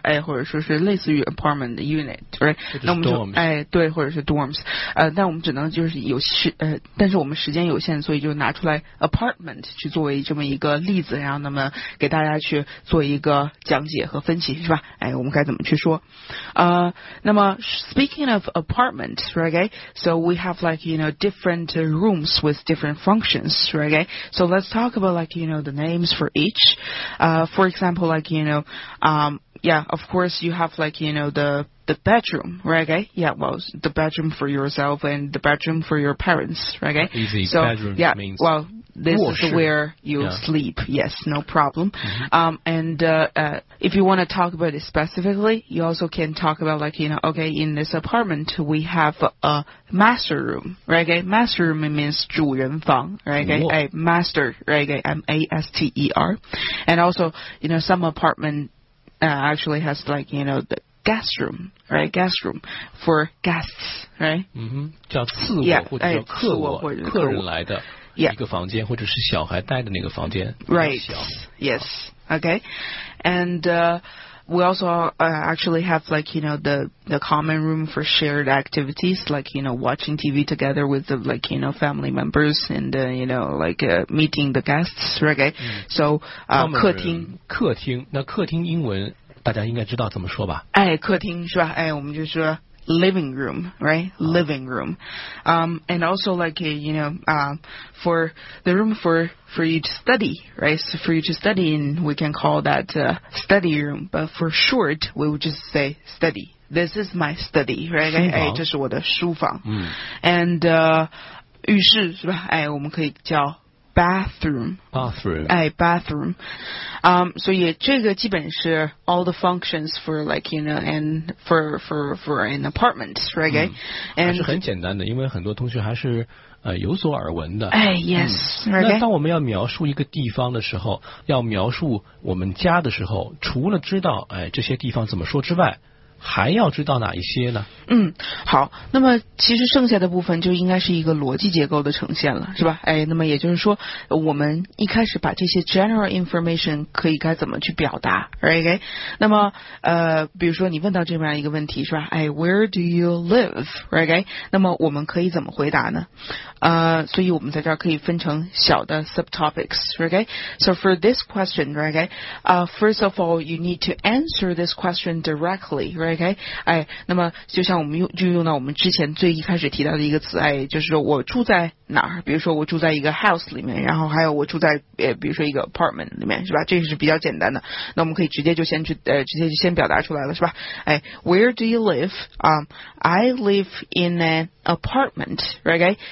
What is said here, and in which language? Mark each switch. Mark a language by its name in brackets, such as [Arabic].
[Chinese] 哎，或者说是类似于 apartment unit， right？那我们就哎对，或者是 dorms， 但我们只能就是有但是我们时间有限，所以就拿出来 apartment 去作为这么一个例子，然后那么给大家去做一个讲解和分析，是吧？哎，我们该怎么去说？那么 [English] speaking of apartment。 Right, so we have like you know different rooms with different functions. Right, so let's talk about like you know the names for each. For example, like you know, of course you have like you know the bedroom. Right, yeah, well the bedroom for yourself and the bedroom for your parents. Right, easy. So bedroom yeah, means well this is where you sleep. Yes, no problem. Mm-hmm. If you want to talk about it specifically, you also can talk about like, you know, okay, in this apartment, we have a master room, right? Okay? Master room means [Chinese] 主人房, [English] right? Okay? Master, right? Okay? M-A-S-T-E-R. And also, you know, some apartment actually has like, you know, the guest room, right? Guest room for guests, right? Mm-hmm. [Chinese] 叫次卧或者叫客卧，客人来的。 [English] Yeah. [Chinese] 一个房间或者是小孩带的那个房间 [English] Right, yes, okay. And we also actually have like, you know, the common room for shared activities, like, you know, watching TV together with the, like, you know, family members and, you know, like meeting the guests, right? Okay. So, 客厅 [Chinese] 那客厅英文大家应该知道怎么说吧？哎，客厅是吧？哎，我们就说 living room, right? Living room. [English] And also like, you know, for the room for you to study, right? So for you to study in, we can call that study room. But for short, we would just say study. This is my study, right? 哎， [Chinese] 这是我的书房。 [English] And 浴室是吧？ [Chinese] 哎，我们可以叫bathroom. [English] So yeah, [Chinese] 这个基本是 [English] all the functions for like you know and for an apartment, right? And [Chinese] 是很简单的，因为很多同学还是有所耳闻的。 [English] 哎 ，yes、right? [Chinese] 那当我们要描述一个地方的时候，要描述我们家的时候，除了知道哎这些地方怎么说之外，还要知道哪一些呢？好，那么其实剩下的部分就应该是一个逻辑结构的呈现了，是吧？哎，那么也就是说，我们一开始把这些 general information 可以该怎么去表达 ，right？那么比如说你问到这边一个问题，是吧？ [English] 哎 ，Where do you live？right？ [Chinese] 那么我们可以怎么回答呢？所以我们在这儿可以分成小的 subtopics，right？ [English] So for this question，right？ First of all， you need to answer this question directly。 Right, okay? [Chinese] 哎，那么就像我们用到我们之前最一开始提到的一个词，哎，就是说我住在哪儿？比如说我住在一个 house 里面，然后还有我住在比如说一个 apartment 里面，是吧？这个是比较简单的。那我们可以直接就先去直接就先表达出来了，是吧？ [English] 哎 ，Where do you live? I live in an apartment, right? Okay?